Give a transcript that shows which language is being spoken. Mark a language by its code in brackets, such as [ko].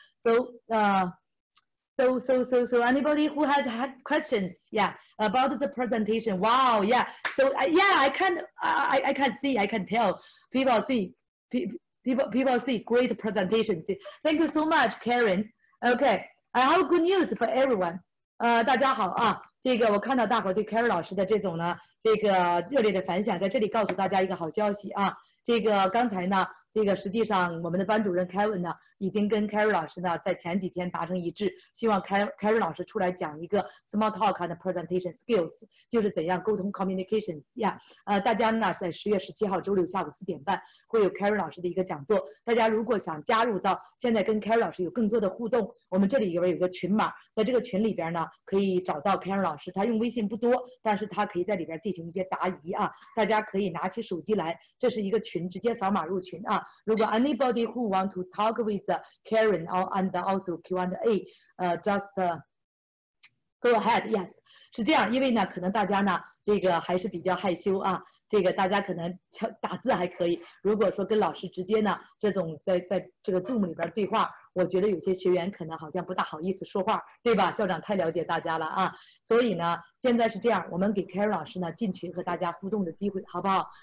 [en] So, so anybody who has had questions, yeah, about the presentation. Wow, yeah. So I can tell people see great presentations. Thank you so much, Karen. Okay, I have good news for everyone. [zh] 大家好啊，这个我看到大伙对 Karen 老师的这种呢，这个热烈的反响，在这里告诉大家一个好消息啊。这个刚才呢，这个实际上我们的班主任 Kevin 呢，已经跟 Carey 老师呢在前几天达成一致，希望 Carey 老师出来讲一个 [en] small talk and presentation skills， [zh] 就是怎样沟通 communications 呀。大家呢在10月17号周六下午4:30会有 Carey 老师的一个讲座，大家如果想加入到现在跟 Carey 老师有更多的互动，我们这里有个群码，在这个群里边呢可以找到 Carey 老师，他用微信不多，但是他可以在里边进行一些答疑啊，大家可以拿起手机来，这是一个群，直接扫码入群啊。如果 [en] anybody who want to talk with Carey and also Q&A, just go ahead, yes. [zh] 是这样，因为呢可能大家呢这个还是比较害羞啊，这个大家可能打字还可以，如果说跟老师直接呢这种在这个 Zoom 里边对话，我觉得有些学员可能好像不大好意思说话，对吧？校长太了解大家了啊，所以呢现在是这样，我们给 Carey 老师呢进群和大家互动的机会，好不好？